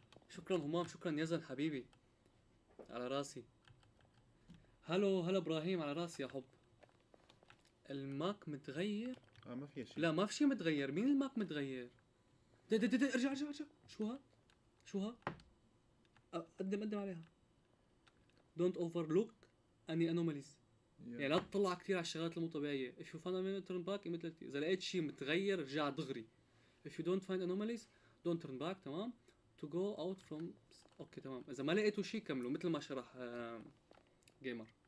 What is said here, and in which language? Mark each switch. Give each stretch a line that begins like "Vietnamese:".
Arabic: شكرا همام، شكرا يزن حبيبي على راسي. هلو هلا ابراهيم على راسي يا حب. الماك متغير؟ اه ما في شيء. لا ما في شيء متغير، مين الماك متغير؟ دي دي دي دي ارجع ارجع ارجع. شو ها؟ شو ها؟ قدم قدم عليها.
English: Don't overlook any anomalies.
Arabic: يعني لا تطلع كثير على الشغلات المو طبيعيه.
English: If you find anomalies turn back immediately.
Arabic: اذا لقيت شيء متغير رجع دغري.
English: If you don't find anomalies don't turn back. تمام؟ To go out from.
Arabic: اوكي تمام. اذا ما لقيتوا شيء كملوا مثل ما شرح جيمر.